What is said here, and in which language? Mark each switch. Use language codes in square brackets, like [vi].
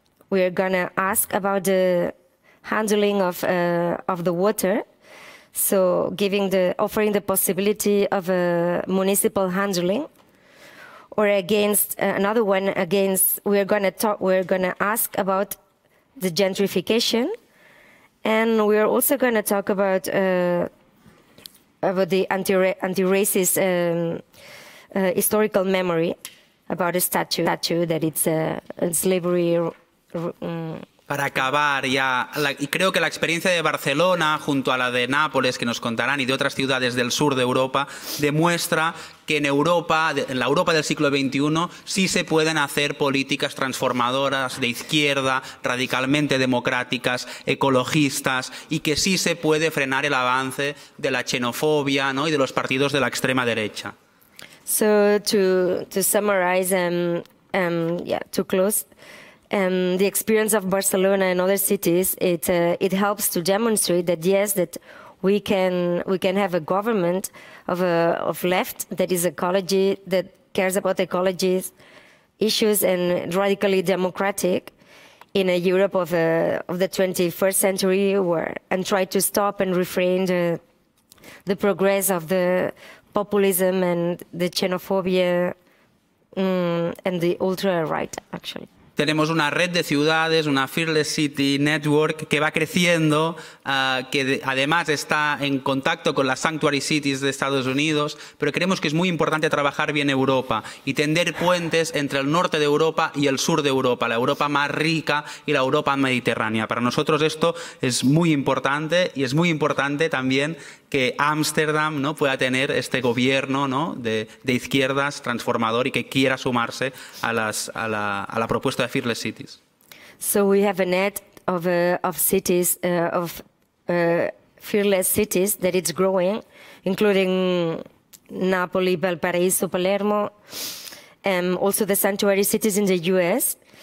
[en] we're gonna ask about the handling of the water, so giving the offering the possibility of a municipal handling, or against another one against we're gonna ask about the gentrification, and we're also gonna talk about the anti-racist historical memory, about a statue that it's a slavery. [es] Para acabar ya, y creo que la experiencia de Barcelona junto a la de Nápoles, que nos contarán, y de otras ciudades del sur de Europa, demuestra que en Europa, en la Europa del siglo XXI, sí se pueden hacer políticas transformadoras de izquierda, radicalmente democráticas, ecologistas, y que sí se puede frenar el avance de la xenofobia, ¿no? Y de los partidos de la extrema derecha. [en] So to summarize, to close. The experience of Barcelona and other cities, it helps to demonstrate that yes, that we can have a government of left that is ecology, that cares about ecology issues and radically democratic in a Europe of the 21st century, and try to stop and refrain the progress of the populism and the xenophobia and the ultra right, actually. [es] Tenemos una red de ciudades, una Fearless City Network, que va creciendo, que además está en contacto con las Sanctuary Cities de Estados Unidos, pero creemos que es muy importante trabajar bien Europa y tender puentes entre el norte de Europa y el sur de Europa, la Europa más rica y la Europa mediterránea. Para nosotros esto es muy importante y es muy importante también que Ámsterdam, ¿no?, pueda tener este gobierno, ¿no?, de izquierdas transformador y que quiera sumarse a la propuesta. [en] So we have a net of fearless cities that it's growing, including Napoli, Valparaiso, Palermo, also the sanctuary cities in the US.